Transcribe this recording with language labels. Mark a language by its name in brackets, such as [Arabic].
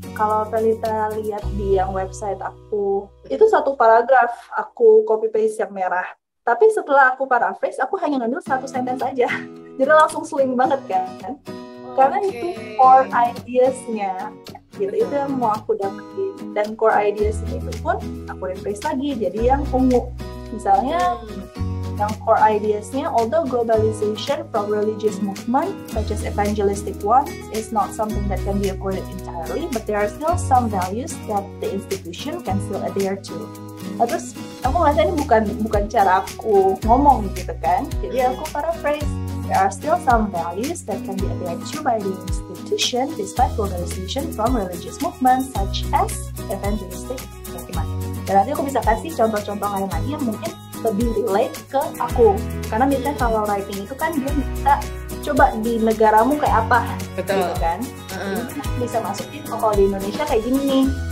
[Indonesian] Kalau kita lihat di yang website aku, itu satu paragraf aku copy paste yang merah. Tapi setelah aku paraphrase, aku hanya ngambil satu sentence aja. Jadi langsung slim banget kan? Okay. Karena itu core ideas-nya. Gitu, itu yang mau aku dapetin. Dan core ideas itu pun aku replace lagi jadi yang ungu. Misalnya yang core ideas-nya, [English] although globalization from religious movement such as evangelistic one is not something that can be avoided entirely, but there are still some values that the institution can still adhere to. [Indonesian] Terus aku ngerasa ini bukan cara aku ngomong gitu kan, jadi aku paraphrase. [English] There are still some values that can be adhered to by the institution despite polarization from religious movements such as evangelistic movement. [Indonesian] Dan nanti aku bisa kasih contoh-contoh lain lagi yang mungkin lebih relate ke aku. Karena misalnya kalau writing itu kan dia bisa coba di negaramu kayak apa. Betul. Gitu kan? Jadi bisa masukin kalau di Indonesia kayak gini nih.